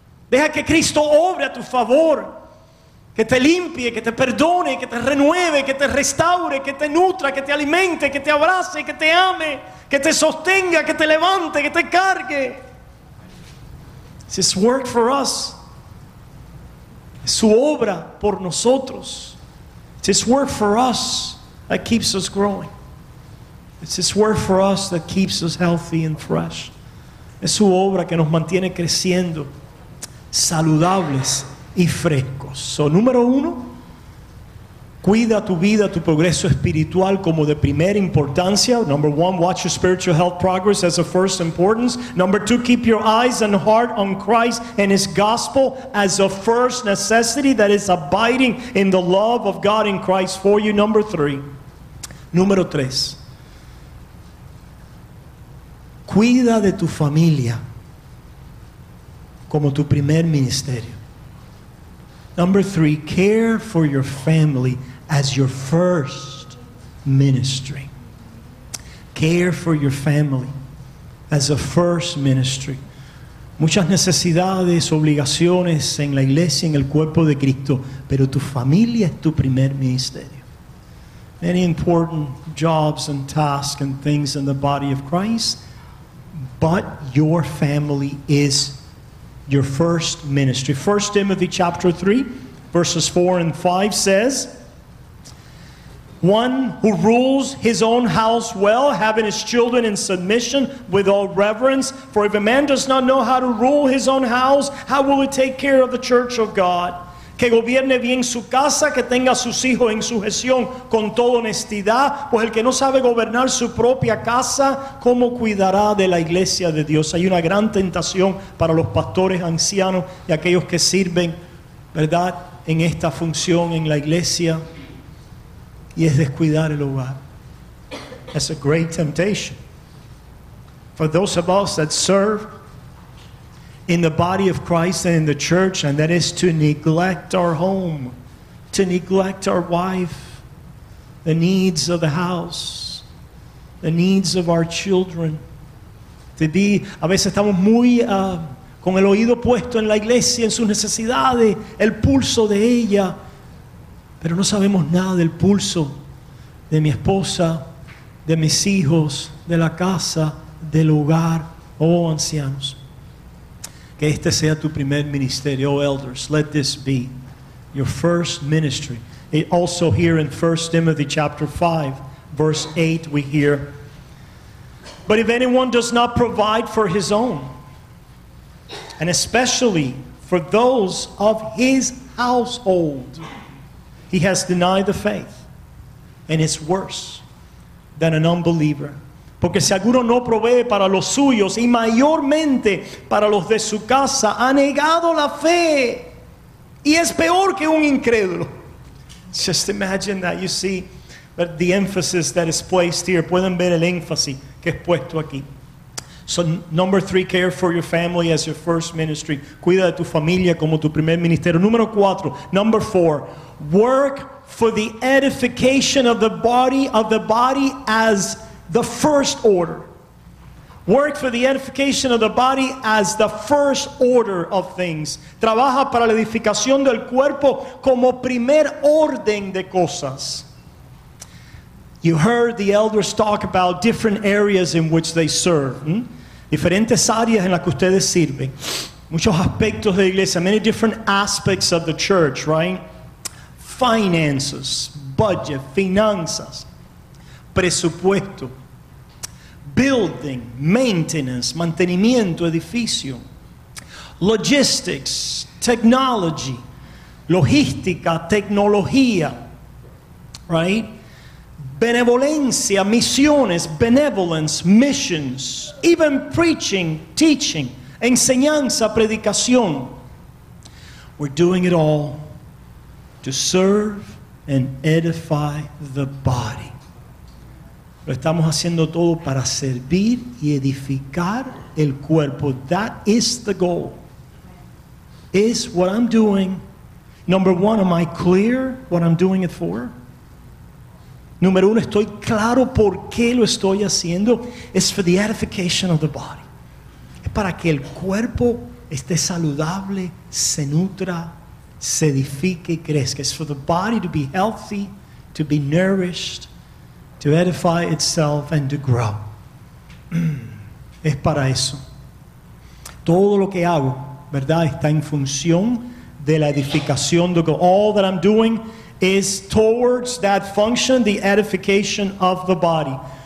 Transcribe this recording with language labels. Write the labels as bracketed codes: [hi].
[es] Deja que Cristo obre a tu favor, que te limpie, que te perdone, que te renueve, que te restaure, que te nutra, que te alimente, que te abrace, que te ame, que te sostenga, que te levante, que te cargue. [en] It's work for us. [es] Es su obra por nosotros. [en] It's work for us that keeps us growing. It's work for us that keeps us healthy and fresh. [es] Es su obra que nos mantiene creciendo, saludables y frescos. So, número uno, cuida tu vida, tu progreso espiritual como de primera importancia. [en] Number one, watch your spiritual health progress as a first importance. Number two, keep your eyes and heart on Christ and His gospel as a first necessity, that is abiding in the love of God in Christ for you. Number three, [es] número tres, cuida de tu familia como tu primer ministerio. [en] Number three, care for your family as your first ministry. Care for your family as a first ministry. [es] Muchas necesidades, obligaciones en la iglesia, en el cuerpo de Cristo, pero tu familia es tu primer ministerio. [en] Many important jobs and tasks and things in the body of Christ, but your family is your first ministry. 1 Timothy chapter 3, verses 4 and 5 says, one who rules his own house well, having his children in submission with all reverence. For if a man does not know how to rule his own house, how will he take care of the church of God? [es] Que gobierne bien su casa, que tenga sus hijos en sujeción con toda honestidad. Pues el que no sabe gobernar su propia casa, ¿cómo cuidará de la iglesia de Dios? Hay una gran tentación para los pastores, ancianos y aquellos que sirven, ¿verdad?, en esta función en la iglesia, y es descuidar el hogar. [en] That's a great temptation. For those of us that serve in the body of Christ and in the church, and that is to neglect our home, to neglect our wife, the needs of the house, the needs of our children. To be, [es] a veces estamos muy con el oído puesto en la iglesia, en sus necesidades, el pulso de ella, pero no sabemos nada del pulso de mi esposa, de mis hijos, de la casa, del hogar. Oh, ancianos, que este sea tu primer ministerio. [en] Oh, elders, let this be your first ministry. It also here in 1 Timothy chapter 5, verse 8, we hear, but if anyone does not provide for his own, and especially for those of his household, he has denied the faith, and it's worse than an unbeliever. [es] Porque si alguno no provee para los suyos y mayormente para los de su casa, ha negado la fe y es peor que un incrédulo. [en] Just imagine that. You see but the emphasis that is placed here. [es] Pueden ver el énfasis que es puesto aquí. [en] So number three, care for your family as your first ministry. [es] Cuida de tu familia como tu primer ministerio. Número cuatro, [en] number four, work for the edification of the body, as the first order. Work for the edification of the body as the first order of things. [es] Trabaja para la edificación del cuerpo como primer orden de cosas. [en] You heard the elders talk about different areas in which they serve. [es] Diferentes áreas en las que ustedes sirven. Muchos aspectos de la iglesia. [en] Many different aspects of the church, right? Finances, budget, [es] finanzas, presupuesto, [en] building, maintenance, [es] mantenimiento, edificio, [en] logistics, technology, [es] logística, tecnología, [en] right? [es] Benevolencia, misiones, [en] benevolence, missions, even preaching, teaching, [es] enseñanza, predicación. [en] We're doing it all to serve and edify the body. [es] Lo estamos haciendo todo para servir y edificar el cuerpo. [en] That is the goal. Is what I'm doing. Number one, am I clear what I'm doing it for? [es] Número uno, ¿estoy claro por qué lo estoy haciendo? [en] It's for the edification of the body. [es] Es para que el cuerpo esté saludable, se nutra, se edifique y crezca. [en] It's for the body to be healthy, to be nourished, to edify itself and to grow. [es] Es para eso. Todo lo que hago, ¿verdad?, está en función de la edificación de God. [en] All that I'm doing is towards that function, the edification of the body.